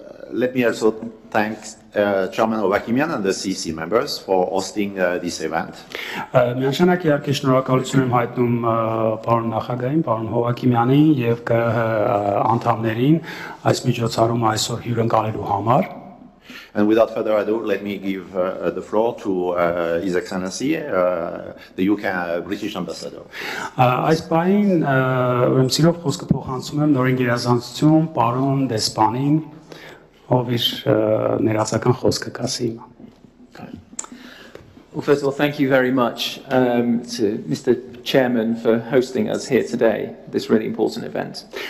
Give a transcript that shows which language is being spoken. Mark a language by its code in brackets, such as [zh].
[en] Let me also thank Chairman Hovakimian and the CEC members for hosting this event. [hy] Միանշանակ իհարկե շնորհակալություն եմ հայտնում պարոն նախագահին, պարոն Հովակիմյանին եւ անդամներին այս միջոցառում այսօր հյուրընկալելու համար. [en] And without further ado, let me give the floor to His Excellency, the UK British Ambassador. [hy] Այս պահին ուրեմն սիրով խոսքը փոխանցում եմ նորին գերազանցություն պարոն դեսպանին. [en] First of all, thank you very much to Mr. Chairman for hosting us here today, this really important event.